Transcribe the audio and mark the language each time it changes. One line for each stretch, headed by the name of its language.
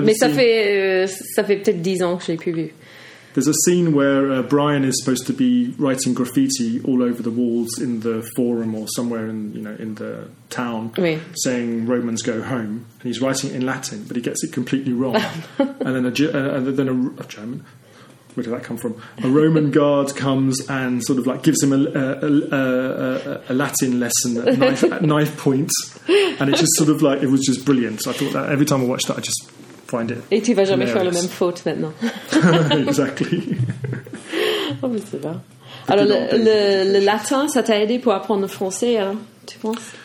French: mais ça fait peut-être 10 ans que je l'ai plus vu.
English: There's a scene where Brian is supposed to be writing graffiti all over the walls in the forum or somewhere in the town,
French: oui,
English: saying Romans go home, and he's writing it in Latin, but he gets it completely wrong. And then a German, where did that come from? A Roman guard comes and sort of like gives him a Latin lesson at knife point, and it just sort of like, it was just brilliant. So I thought that every time I watched that, I just find it.
French: Et tu vas jamais faire la même faute maintenant.
English: Exactly.
French: Oh, mais c'est bien. Alors, le latin, ça t'a aidé pour apprendre le français, hein, tu penses?